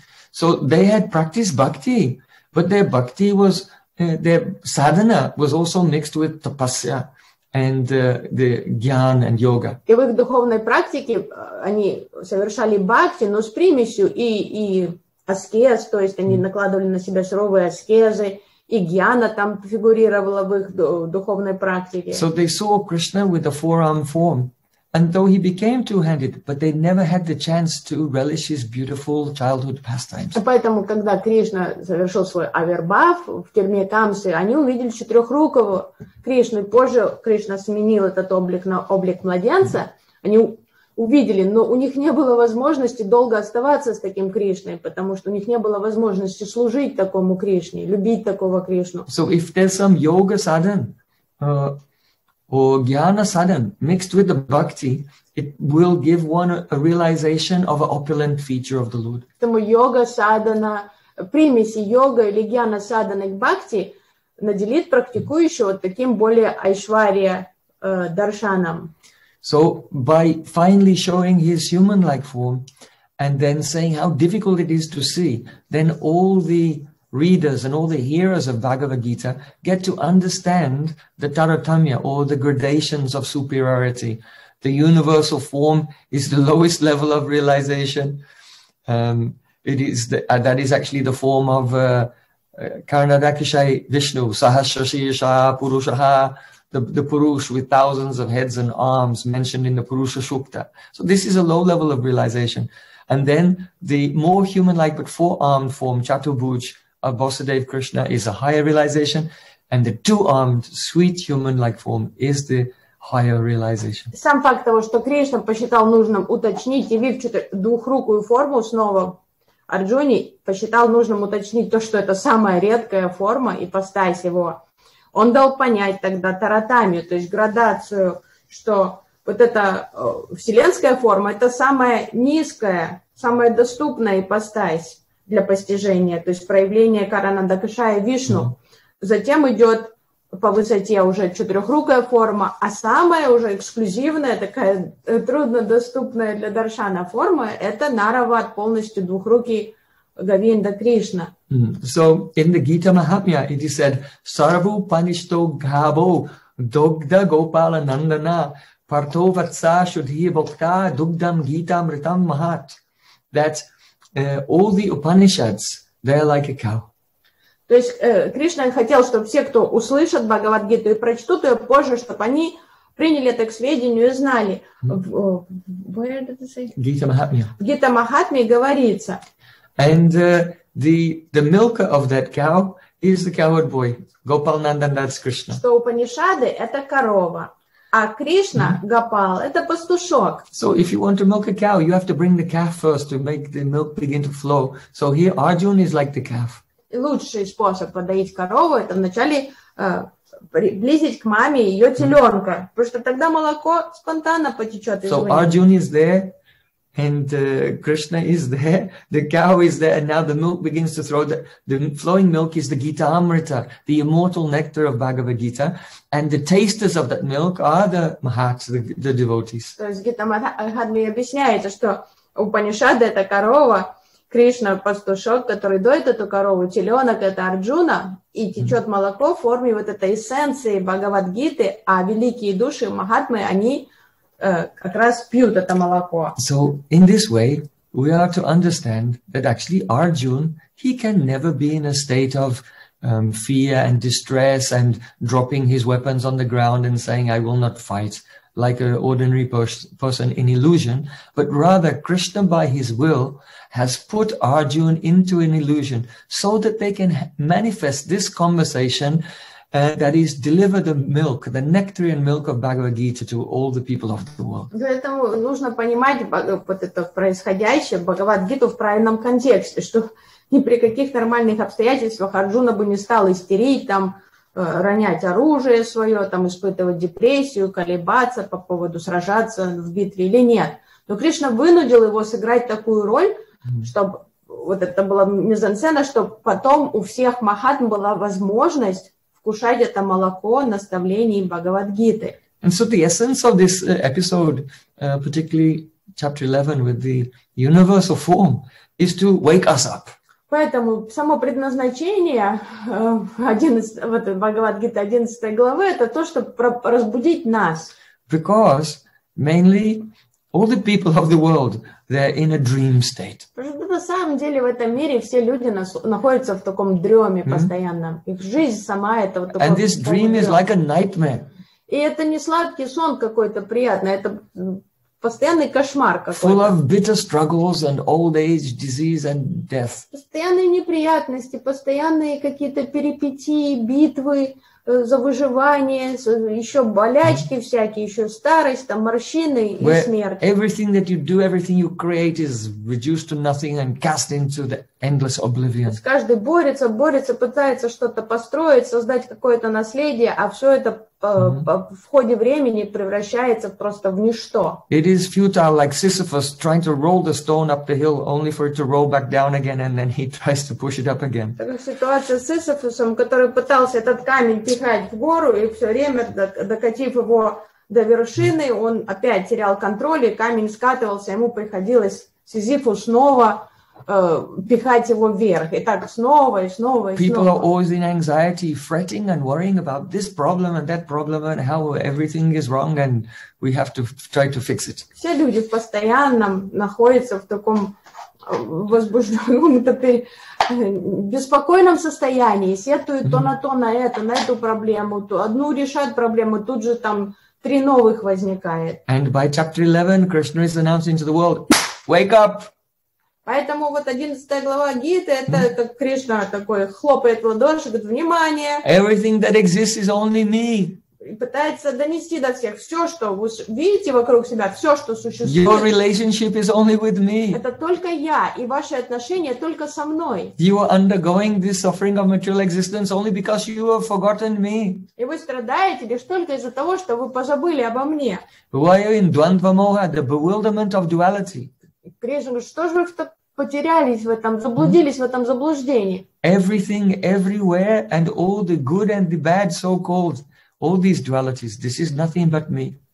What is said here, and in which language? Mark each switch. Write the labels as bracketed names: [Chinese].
[English] So they had practiced bhakti, but their bhakti was, their sadhana was also mixed with tapasya. And the gyan and yoga. [Russian] И в их духовной практике они совершали бхакти, но с примесью и аскез, то есть они накладывали на себя суровые аскезы, и гьяна там фигурировала в их духовной практике. [English] So they saw Krishna with a forearm form, and though he became two-handed, but they never had the chance to relish his beautiful childhood pastimes. [Russian] Поэтому, когда Кришна совершил свой авирбав в тюрьме Камсы, они увидели четырехрукого Кришну. Позже Кришна сменил этот облик на облик младенца. Они увидели, но у них не было возможности долго оставаться с таким Кришной, потому что у них не было возможности служить такому Кришне, любить такого Кришну. [English] So if there's some yoga sadhana, or jnana sadhan mixed with the bhakti, it will give one a realization of an opulent feature of the Lord. [Russian] Поэтому йога садхана, примеси йога или jnana sadhana к бхакти наделит практикующего таким более айшварья даршаном. [English] So by finally showing his human-like form and then saying how difficult it is to see, then all the readers and all the hearers of Bhagavad Gita get to understand the taratamya or the gradations of superiority. The universal form is the lowest level of realization. It is the, that is actually the form of Karnadakshay Vishnu, Sahasrashirsha Purushaha, the Purush with thousands of heads and arms mentioned in the Purusha Sukta. So this is a low level of realization. And then the more human-like but four-armed form, Chaturbhuj, of Vasudev Krishna is a higher realization, and the two-armed, sweet human-like form is the higher realization. [Russian] Сам факт того, что Кришна посчитал нужным уточнить, явив двухрукую форму снова Арджуне, посчитал нужным уточнить то, что это самая редкая форма ипостась его, он дал понять тогда таратамию, то есть градацию, что вот эта вселенская форма – это самая низкая, самая доступная ипостась для постижения, то есть проявление Карана Дакшая Вишну. Затем идет по высоте уже четырехрукая форма, а самая уже эксклюзивная, такая труднодоступная для даршана форма – это Наравад, полностью двухрукий Говинда Кришна. [English] So, in the Gita Mahatmya, it is said, [Sanskrit] Sarvu Panishto Ghabo Dogda Gopala Nandana Parto Vatsa Shudhi Bhokta Dugdam Gita Mritam Mahat. [English] That's all the Upanishads, they are like a cow. [Russian] То есть Кришна хотел, чтобы все, кто услышат Бхагавад-гиту и прочтут ее позже, чтобы они приняли это к сведению и знали. [English] Where did it say? Gita Mahatmya. [Russian] В Гита Махатме говорится. [English] And the milker of that cow is the cowherd boy. Gopal Nandan, that's Krishna. [Russian] Что Упанишады – это корова. А Кришна, Гопал, это пастушок. [English] So if you want to milk a cow, you have to bring the calf first to make the milk begin to flow. So here Arjuna is like the calf. [Russian] Лучший способ подоить корову – это вначале приблизить к маме ее теленка, потому что тогда молоко спонтанно потечет. [English] So Arjuna is there, and Krishna is there, the cow is there, and now the milk begins to flow. The flowing milk is the Gita Amrita, the immortal nectar of Bhagavad Gita, and the tasters of that milk are the mahats, the devotees. [Russian] То есть Гита Махатмья объясняет, что Упанишады – это корова, Кришна пастушок, который доит эту корову, теленок это Арджуна, и течет молоко в форме вот этой эссенции Бхагавадгиты, а великие души Махатмы, они как раз пьют это молоко. [English] So in this way we are to understand that actually Arjuna, he can never be in a state of fear and distress and dropping his weapons on the ground and saying I will not fight like an ordinary person in illusion, but rather Krishna by his will has put Arjuna into an illusion so that they can manifest this conversation and that is deliver the milk, the nectar and milk of Bhagavad Gita to all the people of the world. [Russian] Поэтому нужно понимать вот это происходящее Бхагавад Гиту в правильном контексте, что ни при каких нормальных обстоятельствах Арджуна бы не стал истерить там, ронять оружие свое, там, испытывать депрессию, колебаться по поводу сражаться в битве или нет. Но Кришна вынудил его сыграть такую роль, чтобы вот это была мизансцена, чтобы потом у всех махатм была возможность вкушать это молоко наставлений Бхагавадгиты. [English] And so the essence of this episode, particularly chapter 11 with the universal form, is to wake us up. [Russian] Поэтому само предназначение Бхагавадгиты 11 главы это то, чтобы разбудить нас. [English] Because mainly all the people of the world, they're in a dream state. [Russian] На самом деле в этом мире все люди находятся в таком дреме постоянно. Их жизнь сама это вот такой. [English] And this dream is like a nightmare. [Russian] И это не сладкий сон какой-то приятный, это постоянный кошмар какой-то. [English] Full of bitter struggles and old age, disease and death. [Russian] Постоянные неприятности, постоянные какие-то перипетии, битвы за выживание, еще болячки всякие, еще старость, там морщины [English] Where [Russian] и смерть. [English] Everything that you do, everything you create is reduced to nothing and cast into the endless oblivion. [Russian] Каждый борется, борется, пытается что-то построить, создать какое-то наследие, а все это в ходе времени превращается просто в ничто. [English] It is futile, like Sisyphus trying to roll the stone up the hill, only for it to roll back down again, and then he tries to push it up again. [Russian] Ситуация с Сисифусом, который пытался этот камень пихать в гору и все время докатив его до вершины, он опять терял контроль и камень скатывался, ему приходилось Сизифу снова пихать его вверх. И так снова, и снова, и снова. [English] People are always in anxiety, fretting and worrying about this problem and that problem and how everything is wrong and we have to try to fix it. [Russian] Все люди постоянно находятся в таком возбужденном, беспокойном состоянии, сетуют то на то, на это, на эту проблему, то одну решают проблему, тут же там три новых возникает. [English] And by chapter 11, Krishna is announcing to the world, wake up! [Russian] Поэтому вот 11 глава Гиты, это как Кришна такой хлопает в ладоши, говорит, внимание. [English] Everything that exists is only me. [Russian] И пытается донести до всех, все, что вы видите вокруг себя, все, что существует. [English] Your relationship is only with me. [Russian] Это только я, и ваши отношения только со мной. [English] You are undergoing this suffering of material existence only because you have forgotten me. [Russian] И вы страдаете лишь только из-за того, что вы позабыли обо мне. [English] Why are you in dvandvamoha, the bewilderment of duality? [Russian] Кришна говорит, что же вы потерялись в этом, заблудились в этом заблуждении? [English] Everything, everywhere, and all the good and the bad, so-called, all these dualities, this is nothing but me.